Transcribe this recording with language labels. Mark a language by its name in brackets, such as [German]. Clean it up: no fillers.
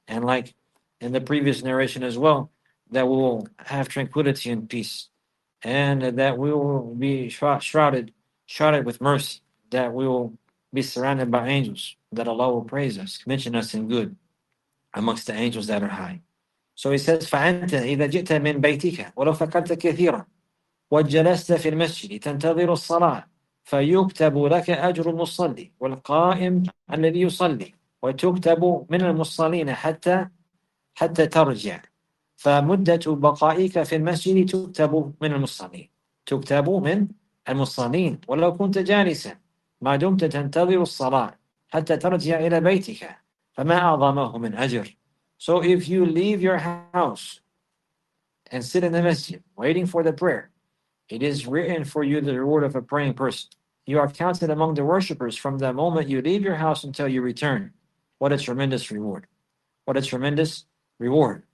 [English] And like in the previous narration as well, that we will have tranquility and peace, and that we will be shrouded with mercy, that we will be surrounded by angels, that Allah will praise us, mention us in good amongst the angels that are high. So he says, [Arabic] فَأَنْتَ إِذَا جِئْتَ مِنْ بَيْتِكَ وَلَوْ فَكَرْتَ كَثِيرًا وجلست في المسجد تنتظر الصلاة فيكتب لك أجر المصلي والقائم الذي يصلي وتكتب من المصلين حتى ترجع فمدة بقائك في المسجد تكتب من المصلين تكتب من المصلين ولو كنت جالسا ما دمت تنتظر الصلاة حتى ترجع إلى بيتك فما أعظمه من أجر. [English] So if you leave your house and sit in the masjid waiting for the prayer, it is written for you the reward of a praying person. You are counted among the worshippers from the moment you leave your house until you return. What a tremendous reward. What a tremendous reward.